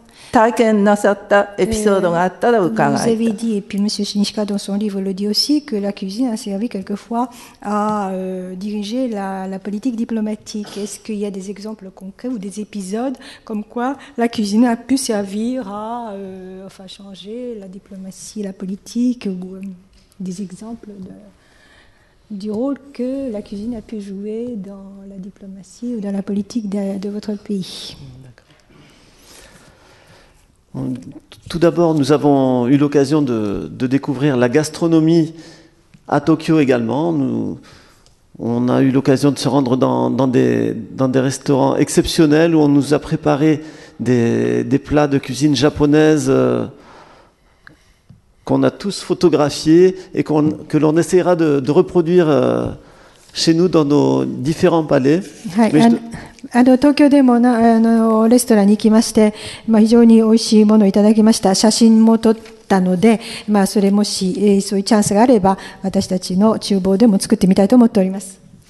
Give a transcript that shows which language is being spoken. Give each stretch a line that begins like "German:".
Japanese: 体験なさったエピソードがあったら伺いたい。
French: Vous avez dit, et puis M. Shinichika dans son livre le dit aussi, que la cuisine a servi quelquefois à diriger la politique diplomatique. Est-ce qu'il y a des exemples concrets ou des épisodes comme quoi la cuisine a pu servir à changer la diplomatie, la politique, ou des exemples du rôle que la cuisine a pu jouer dans la diplomatie ou dans la politique de votre pays ? Tout d'abord, nous avons eu l'occasion de découvrir la gastronomie à Tokyo également. On a eu l'occasion de se rendre dans des restaurants exceptionnels où on nous a préparé des plats de cuisine japonaise qu'on a tous photographiés et que l'on essaiera de reproduire chez nous dans nos différents palais. Oui, mais
Japanese: 東京でもレストランに行きまして、非常に美味しいものをいただきました。写真も撮ったので、それもし、そういうチャンスがあれば、私たちの厨房でも作ってみたいと思っております。